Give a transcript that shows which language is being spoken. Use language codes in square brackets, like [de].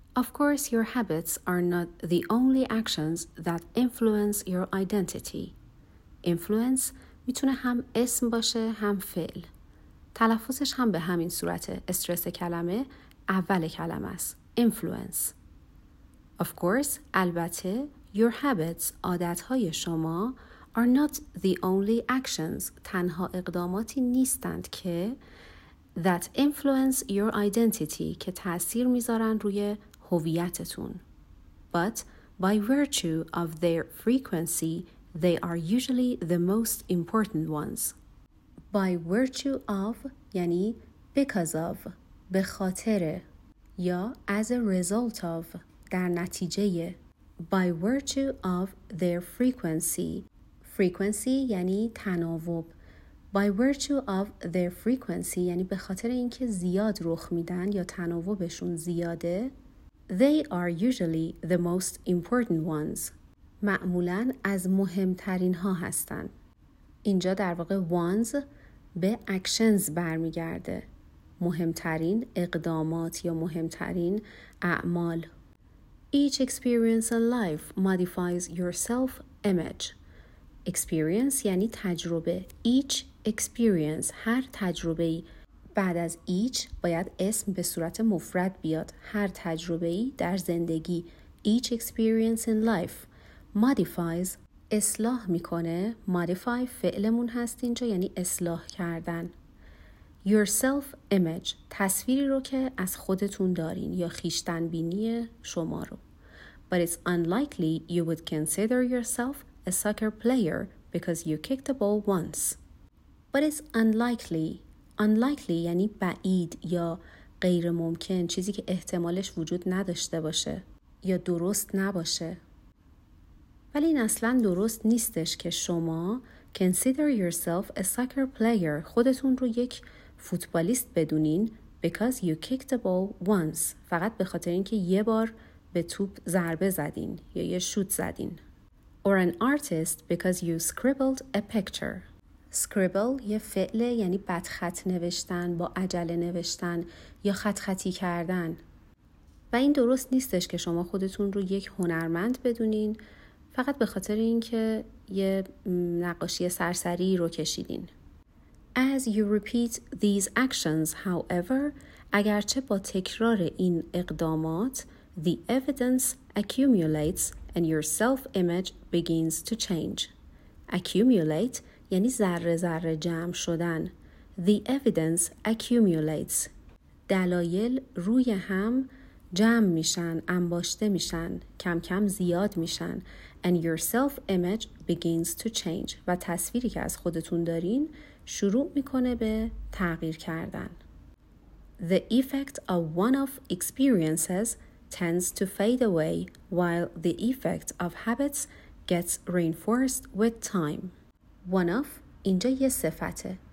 [en] Of course, your habits are not the only actions that influence your identity. [fa] Influence میتونه هم اسم باشه هم فعل. تلفظش هم به همین صورته. استرس کلمه اول کلمه است. Influence. [en] Of course, [fa] البته, [en] your habits, [fa] عادتهای شما, [en] are not the only actions, [fa] تنها اقداماتی نیستند که [en] that influence your identity, [fa] که تأثیر میذارن روی هویتتون. [en] But by virtue of their frequency, they are usually the most important ones. By virtue of, [fa] یعنی [en] because of, [fa] به خاطر یا [en] as a result of, [fa] در نتیجه. [en] By virtue of their frequency. [fa] Frequency یعنی تناوب. [en] By virtue of their frequency [fa] یعنی به خاطر اینکه زیاد رخ میدن یا تناوبشون زیاده. [en] They are usually the most important ones. [fa] معمولاً از مهمترین ها هستن. اینجا در واقع ones به actions برمیگرده. مهمترین اقدامات یا مهمترین اعمال. [en] Each experience in life modifies your self-image. [fa] Experience یعنی تجربه. [en] Each experience [fa] هر تجربه ای. بعد از each باید اسم به صورت مفرد بیاد. هر تجربه ای در زندگی. [en] Each experience in life modifies [fa] اصلاح میکنه. Modify فعلمون هست اینجا یعنی اصلاح کردن. [en] Your self-image [fa] تصویری رو که از خودتون دارین یا خیشتن بینی شما رو. [en] But it's unlikely you would consider yourself a soccer player because you kicked the ball once. But it's unlikely. [fa] Unlikely یعنی بعید یا غیر ممکن، چیزی که احتمالش وجود نداشته باشه یا درست نباشه. ولی این اصلا درست نیستش که شما [en] consider yourself a soccer player، [fa] خودتون رو یک فوتبالیست بدونین، [en] because you kicked the ball once، [fa] فقط به خاطر اینکه یه بار به توپ ضربه زدین یا یه شوت زدین. [en] Or an artist because you scribbled a picture. [fa] Scribble یه فعله، یعنی بدخط نوشتن، با عجله نوشتن یا خط خطی کردن. و این درست نیستش که شما خودتون رو یک هنرمند بدونین فقط به خاطر اینکه یه نقاشی سرسری رو کشیدین. [en] As you repeat these actions, however, [fa] اگرچه با تکرار این اقدامات، [en] the evidence accumulates and your self-image begins to change. [fa] Accumulate یعنی ذره ذره جمع شدن. [en] The evidence accumulates. [fa] دلایل روی هم جمع میشن، انباشته میشن، کم کم زیاد میشن. [en] And your self-image begins to change. [fa] و تصویری که از خودتون دارین شروع میکنه به تغییر کردن. [en] The effect of one-off experiences tends to fade away while the effect of habits gets reinforced with time. [fa] One-off اینجا یه صفته.